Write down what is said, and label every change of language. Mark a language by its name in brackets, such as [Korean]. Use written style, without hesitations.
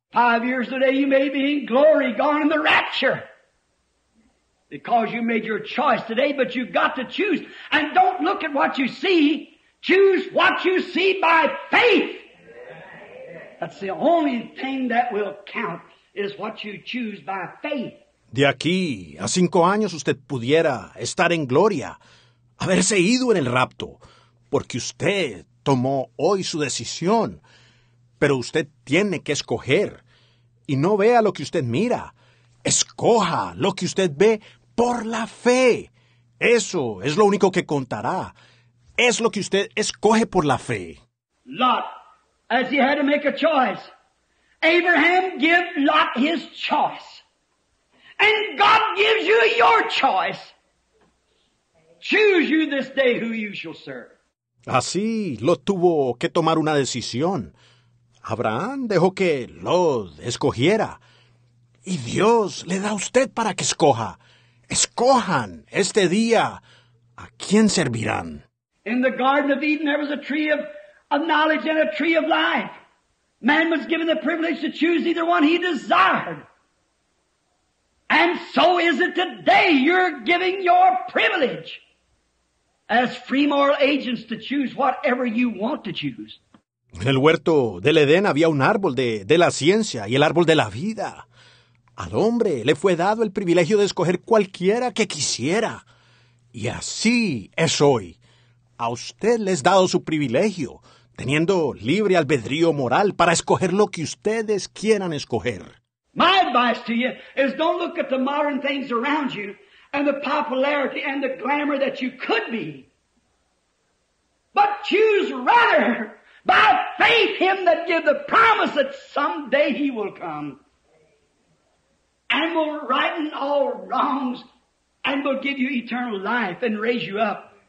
[English] 5 years today you may be in glory, gone in the rapture. Because you made your choice today, but you've got to choose. And don't look at what you see. Choose what you see by faith. That's the only thing that will count, is what you choose by faith. [Spanish] De aquí a 5 años usted pudiera estar en gloria, haberse ido en el rapto, porque usted tomó hoy su decisión. Pero usted tiene que escoger, y no vea lo que usted mira. Escoja lo que usted ve por la fe. Eso es lo único que contará. Es lo que usted escoge por la fe. [English] Lot, as he had to make a choice. Abraham gave Lot his choice. And God gives you your choice. Choose you this day who you shall serve. [Spanish] Así lo tuvo que tomar una decisión. Abraham dejó que Lot escogiera. Y Dios le da a usted para que escoja. Escojan este día a quién servirán. [English] In the Garden of Eden, there was a tree of knowledge and a tree of life. Man was given the privilege to choose either one he desired. And so is it today. You're giving your privilege as free moral agents to choose whatever you want to choose. [Spanish] En el huerto del Edén había un árbol de la ciencia y el árbol de la vida. Al hombre le fue dado el privilegio de escoger cualquiera que quisiera. Y así es hoy. A usted les dado su privilegio, teniendo libre albedrío moral para escoger lo que ustedes quieran escoger. [English] My advice to you is don't look at the modern things around you and the popularity and the glamour that you could be. But choose rather by faith him that give the promise that someday he will come and will righten all wrongs and will give you eternal life and raise you up.